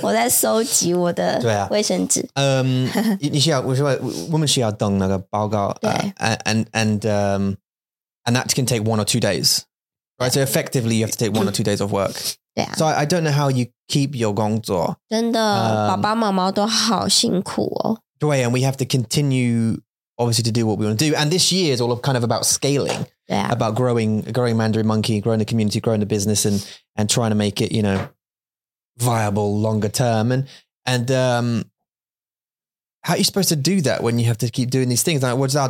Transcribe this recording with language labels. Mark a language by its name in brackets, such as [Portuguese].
[Chinese] 我在收集我的卫生纸。我们需要等那个报告, [English] and that can take 1 or 2 days, right? So effectively, you have to take 1 or 2 days off work. Yeah. So I don't know how you keep your [Chinese] 工作. 真的,爸爸妈妈都好辛苦哦。 [English] Way, and we have to continue obviously to do what we want to do, and this year is all of kind of about scaling, yeah, about growing Mandarin Monkey, growing the community, growing the business, and trying to make it, you know, viable longer term, and how are you supposed to do that when you have to keep doing these things? Like, what's that?